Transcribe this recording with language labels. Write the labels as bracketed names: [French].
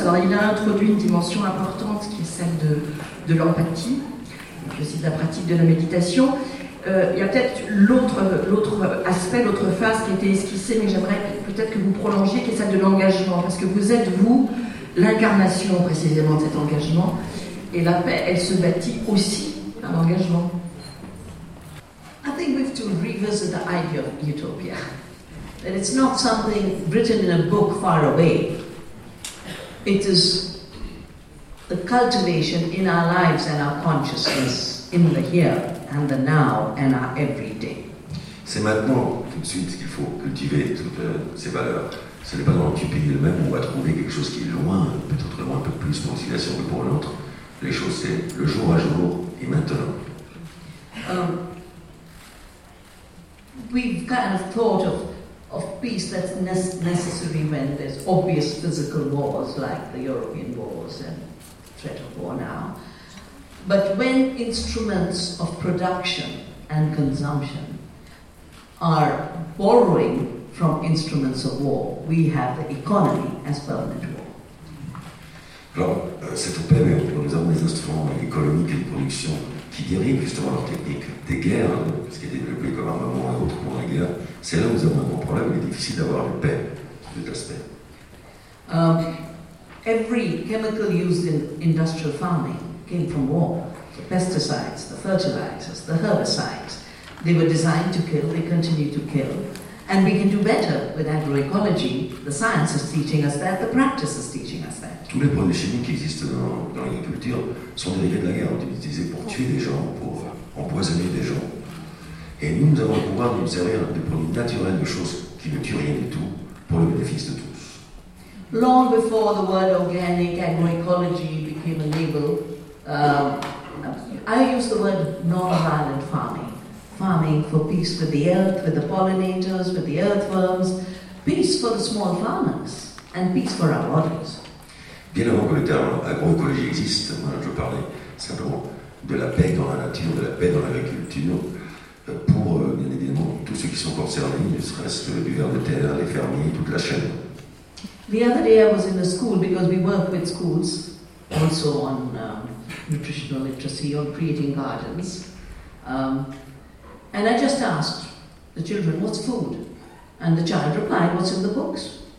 [French] Alors il a introduit une dimension importante qui est celle de l'empathie, et puis aussi de la pratique de la méditation. Il y a peut-être l'autre aspect, l'autre phase qui a été esquissée, mais j'aimerais peut-être que vous prolongiez, qui est celle de l'engagement, parce que vous êtes, vous, l'incarnation précisément de cet engagement, et la paix, elle se bâtit aussi par l'engagement. [English] I think we have to revisit the idea of utopia. That it's not something written in a book far away. It is the cultivation in our lives and our consciousness in the here and the now and our everyday. [French] C'est maintenant, tout de suite, qu'il faut cultiver toutes ces valeurs. Ce n'est pas dans l'utopie elle-même où on va trouver quelque chose qui est loin, peut-être loin, un peu plus pour une situation que pour l'autre. Les choses, c'est le jour à jour et maintenant. [English] We've kind of thought of peace that's necessary when there's obvious physical wars like the European wars and threat of war now. But when instruments of production and consumption are borrowing from instruments of war, we have the economy as permanent war. [French] Alors, cette paix, mais nous avons des instruments économiques et de production qui dérivent justement leur technique des guerres, ce qui a été développé comme armement et autres pendant la guerre. C'est là où nous avons un grand problème, il est difficile d'avoir la paix, cet aspect. [English] Every chemical used in industrial farming came from war. The pesticides, the fertilizers, the herbicides, they were designed to kill, they continue to kill. And we can do better with agroecology. The science is teaching us that, the practice is teaching us that. [French] Tous les produits chimiques qui existent dans l'agriculture sont dérivés de la guerre, utilisés pour tuer des gens, pour empoisonner des gens. Et nous, nous avons le pouvoir de nous servir de produits naturels, de choses qui ne tuent rien du tout, pour le bénéfice de tous. [English] Long before the word organic agroecology became a label, I use the word non-violent farming. Farming for peace with the earth, with the pollinators, with the earthworms, peace for the small farmers, and peace for our bodies. [French] Bien avant que le terme agroécologie existe, moi je parlais simplement de la paix dans la nature, de la paix dans l'agriculture, pour bien évidemment tous ceux qui sont concernés, ne serait-ce que du ver de terre, les fermiers, toute la chaîne. [English] The other day I was in a school because we work with schools also on nutritional literacy, on creating gardens. And I just asked the children, what's food? And the child replied, what's in the books?